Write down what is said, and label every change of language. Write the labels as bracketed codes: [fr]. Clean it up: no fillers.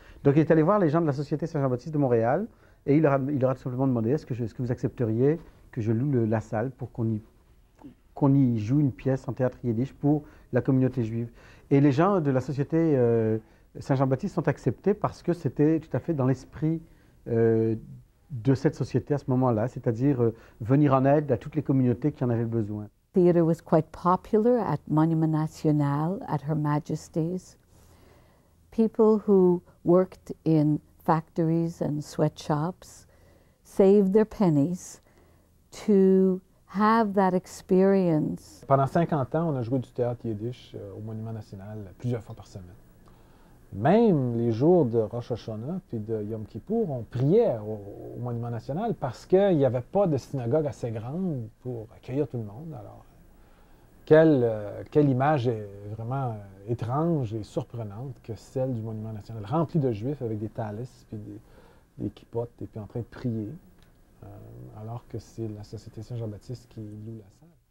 [fr] Donc il est allé voir les gens de la Société Saint-Jean-Baptiste de Montréal, et il leur a tout simplement demandé, est-ce que vous accepteriez que je loue la salle pour qu'on y joue une pièce en théâtre yiddish pour la communauté juive. Et les gens de la Société Saint-Jean-Baptiste sont acceptés parce que c'était tout à fait dans l'esprit de cette société à ce moment-là, c'est-à-dire venir en aide à toutes les communautés qui en avaient besoin. [en] Theater was quite popular at Monument National, at Her Majesty's. People who worked in factories and sweatshops saved their pennies to have that experience. [fr] Pendant 50 ans, on a joué du théâtre yiddish au Monument National plusieurs fois par semaine. Même les jours de Rosh Hashanah puis de Yom Kippour, on priait au Monument National parce qu'il n'y avait pas de synagogue assez grande pour accueillir tout le monde. Alors, quelle image est vraiment étrange et surprenante que celle du Monument National, remplie de Juifs avec des talis puis des kippotes et puis en train de prier, alors que c'est la Société Saint-Jean-Baptiste qui loue la salle.